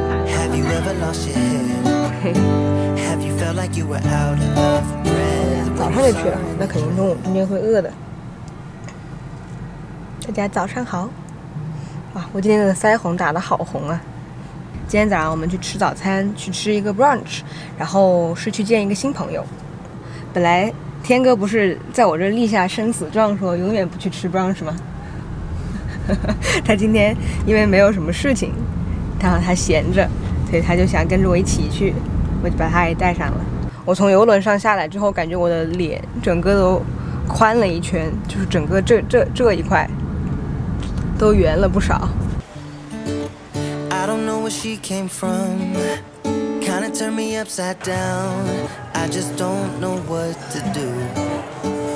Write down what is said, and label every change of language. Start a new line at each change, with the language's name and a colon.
English: Have you ever lost your head? Have you felt like you were out of breath?
Chinese: 早上就去了，那肯定中午肯定会饿的。大家早上好。哇，我今天的腮红打得好红啊！今天早上我们去吃早餐，去吃一个 brunch， 然后是去见一个新朋友。本来天哥不是在我这立下生死状，说永远不去吃 brunch 吗？他今天因为没有什么事情，然后他闲着，所以他就想跟着我一起去，我就把他也带上了。我从游轮上下来之后，感觉我的脸整个都宽了一圈，就是整个这一块都圆了不少。
English: I don't know where she came from, kinda turned me upside down, I just don't know what to do.